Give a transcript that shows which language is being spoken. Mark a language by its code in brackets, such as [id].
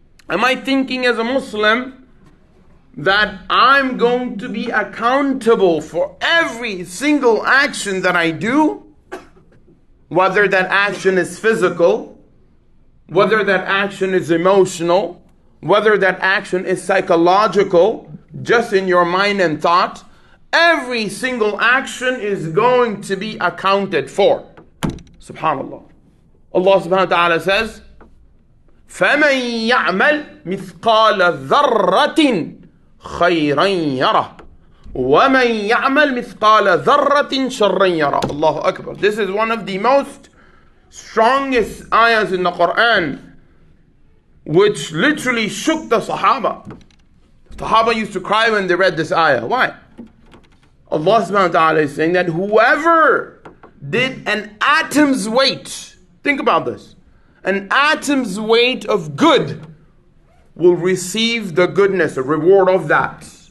[en] Am I thinking as a Muslim that I'm going to be accountable for every single action that I do, whether that action is physical, whether that action is emotional, whether that action is psychological, just in your mind and thought, every single action is going to be accounted for. Subhanallah. [ar] Allah subhanahu wa ta'ala says, فَمَنْ يَعْمَلْ مِثْقَالَ ذَرَّةٍ خَيْرًا يَرَى وَمَنْ يَعْمَلْ مِثْقَالَ ذَرَّةٍ شَرًّا يَرَى. Allahu Akbar. [en] This is one of the most strongest ayahs in the Quran, which literally shook the Sahaba. Sahaba used to cry when they read this ayah. Why? Allah subhanahu wa ta'ala is saying that whoever did an atom's weight, think about this, an atom's weight of good will receive the goodness, a reward of that.